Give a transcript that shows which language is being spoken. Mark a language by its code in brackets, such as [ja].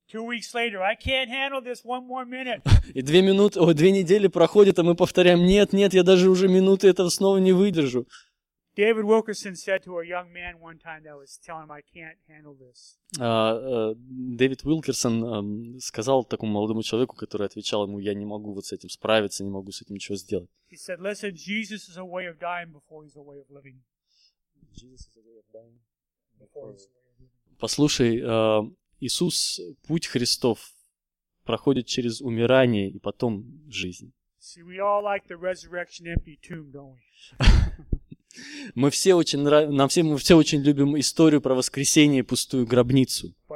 [en] 2 weeks later, I can't handle this one more minute. [ru] И две минуты, о, две недели проходит, а мы повторяем: нет, нет, я даже уже минуты этого снова не выдержу. [en] David Wilkerson said to a young man one time that was telling him, "I can't handle this." [ru] David Wilkerson сказал такому молодому человеку, который отвечал ему: "Я не могу вот с этим справиться, не могу с этим ничего сделать." [en] He said, "Listen, Jesus is a way of dying before he's a way of living." [ru] Послушай, Иисус, путь Христов проходит через умирание и потом жизнь. [en] See, we all like the resurrection empty tomb, don't we? [ru] Мы все очень мы все очень любим историю про воскресение и пустую гробницу.